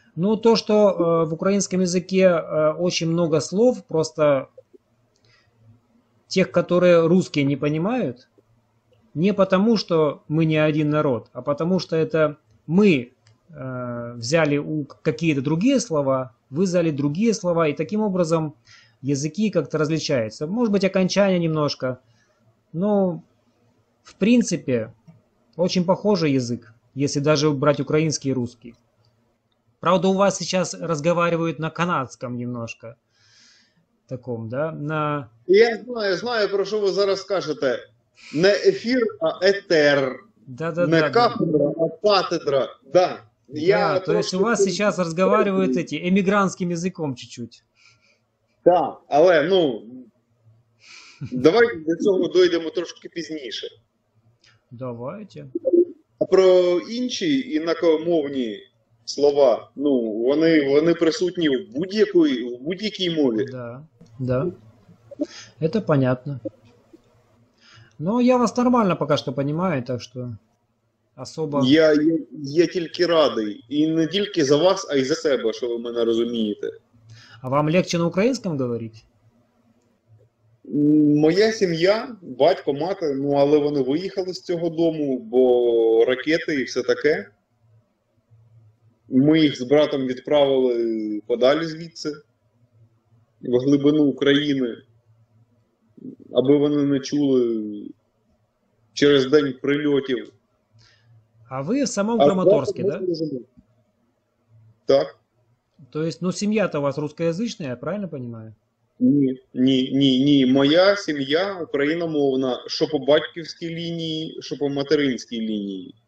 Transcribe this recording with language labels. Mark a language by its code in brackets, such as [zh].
[uk] Ну, то, що в українському язикі дуже багато слов, просто тих, які русські не розуміють, не тому, що ми не один народ, а тому, що це ми взяли якісь інші слова, ви взяли інші слова, і таким образом язики як-то различаються. Може бути, окончання немножко. [ru] Ну, в принципе, очень похожий язык, если даже брать украинский и русский. Правда, у вас сейчас разговаривают на канадском немножко. Таком, да? На... [uk] Я знаю, про що ви зараз кажете. Не ефір, а етер. Не кафедра, а патедра. Да. Да, Я [ru] то есть у [uk] трошки. [ru] вас сейчас разговаривают эти эмигрантским языком чуть-чуть. [uk] Да, але ну давайте до цього дойдемо трошки пізніше. [ru] Давайте. [uk] Про інші інакомовні слова, ну, вони присутні в будь-якій мові. [ru] Да. Это понятно. Но я вас нормально пока что понимаю, так что особо. [uk] Я тільки радий, і не тільки за вас, а й за себе, що ви мене розумієте. [ru] А вам легче на украинском говорить? [uk] Моя сім'я, батько, мати, ну, але вони виїхали з цього дому, бо ракети і все таке. Ми їх з братом відправили подалі звідси, в глибину України, аби вони не чули через день прильотів. [ru] А вы в самом А Краматорске, да? [uk] так? [ru] То есть, ну, семья-то у вас русскоязычная, я правильно понимаю? [uk] Ні. Моя сім'я україномовна, що по батьківській лінії, що по материнській лінії.